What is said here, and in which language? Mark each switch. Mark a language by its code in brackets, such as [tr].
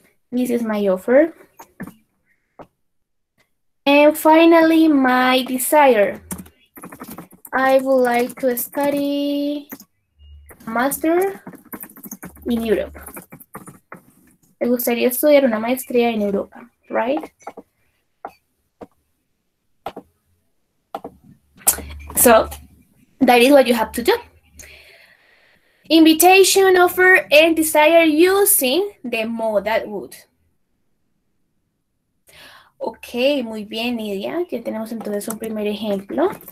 [en] This is my offer. And finally, my desire. I would like to study a master in Europe. [es] Me gustaría estudiar una maestría en Europa, right? [en] So, that is what you have to do. Invitation, offer, and desire using the modal would. [es] Okay, muy bien, Nidia. Ya tenemos entonces un primer ejemplo.